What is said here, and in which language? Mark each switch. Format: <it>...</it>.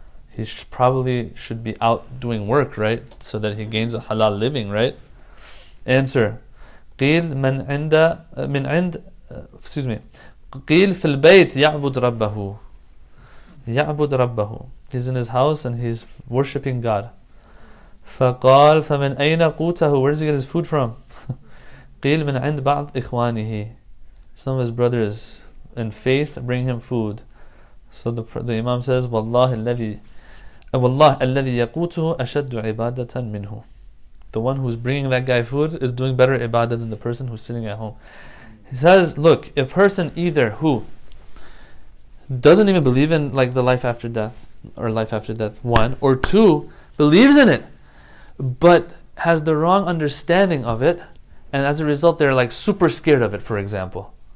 <en>He probably should be out doing work, right? So that he gains a halal living, right? Answer.</en> <ar>قِيلْ مَنْ عِنْدَ مِنْ عِنْدَ</ar> <en>excuse me.</en> <ar>قِيلْ فِي الْبَيْتِ يَعْبُدْ رَبَّهُ يَعْبُدْ رَبَّهُ.</ar> <en>He's in his house and he's worshipping God.</en> <ar>فقال فمن أين قوته,</ar> <en>where does he get his food from?</en> <ar>قيل من عند بعض إخوانه,</ar> <en>some of his brothers in faith bring him food. So the imam says,</en> <ar>والله الذي يقوته أشد عبادة منه.</ar> <en>The one who's bringing that guy food is doing better ibadah than the person who's sitting at home. He says, look, a person either who doesn't even believe in like the life after death or life after death, one, or two, believes in it but has the wrong understanding of it, and as a result they're like super scared of it, for example.</en>